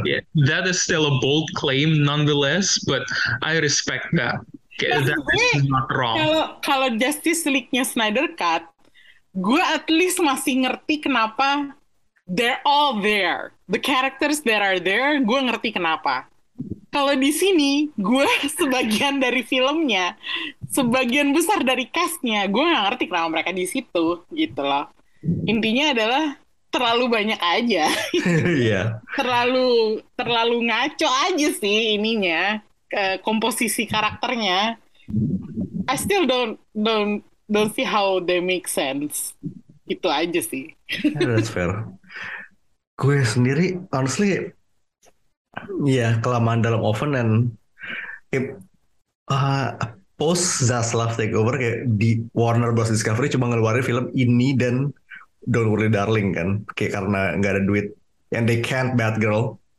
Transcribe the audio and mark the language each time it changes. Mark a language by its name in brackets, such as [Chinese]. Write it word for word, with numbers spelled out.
[English] Yeah, that is still a bold claim, nonetheless, but I respect that. [Indonesian] Kalau kalau Justice League-nya Snyder Cut, gue at least masih ngerti kenapa [English] they're all there. The characters that are there, [Indonesian] gue ngerti kenapa. Kalau di sini, gue sebagian dari filmnya, sebagian besar dari cast-nya, gue nggak ngerti kenapa mereka di situ, gitu loh. Intinya adalah terlalu banyak aja. [English] Yeah. [Indonesian] Terlalu terlalu ngaco aja sih ininya. [English] Uh, [Indonesian] komposisi karakternya, [English] I still don't don't don't see how they make sense. [Indonesian] Itu aja sih. [English] Yeah, that's fair. [Indonesian] Gue sendiri, honestly, ya yeah, kelamaan dalam oven dan it, uh, post Zaslav takeover kayak di Warner Bros Discovery cuma ngeluarin film ini dan Don't Worry Darling kan, kayak karena nggak ada duit [English] and they can't [Indonesian] Batgirl.